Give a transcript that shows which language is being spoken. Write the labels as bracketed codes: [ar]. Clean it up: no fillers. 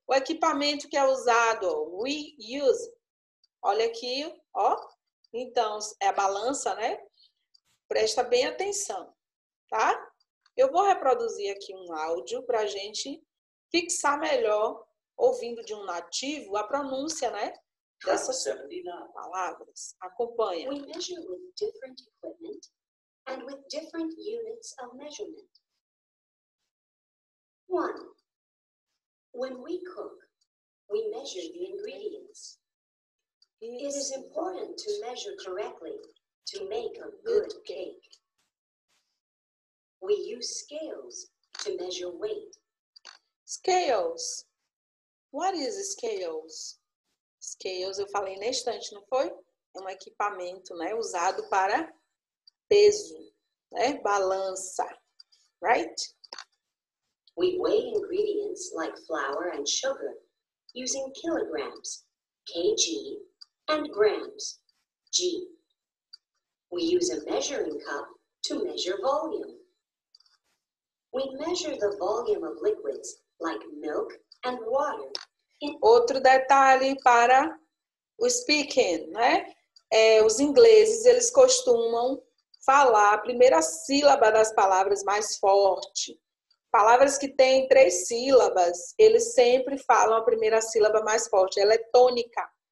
[pt] O equipamento que é usado, ó, we use. Olha aqui, ó. Então, é a balança, né? Presta bem atenção, tá? Eu vou reproduzir aqui um áudio para a gente fixar melhor, ouvindo de um nativo, a pronúncia, né? Dessas palavras. Acompanha. [en] We measure with different equipment and with different units of measurement. One, when we cook, we measure the ingredients. It is important to measure correctly to make a good cake. We use scales to measure weight. Scales. What is scales? [pt] Scales, eu falei na estante, não foi? É um equipamento, né, usado para peso, né, balança, right? [en] We weigh ingredients like flour and sugar using kilograms, kg, and grams, g. We use a measuring cup to measure volume. We measure the volume of liquids like milk and water. [pt] Outro detalhe para o speaking, né? É, os ingleses, eles costumam falar a primeira sílaba das palavras mais forte. Palavras que têm três sílabas, eles sempre falam a primeira sílaba mais forte. Ela é tônica.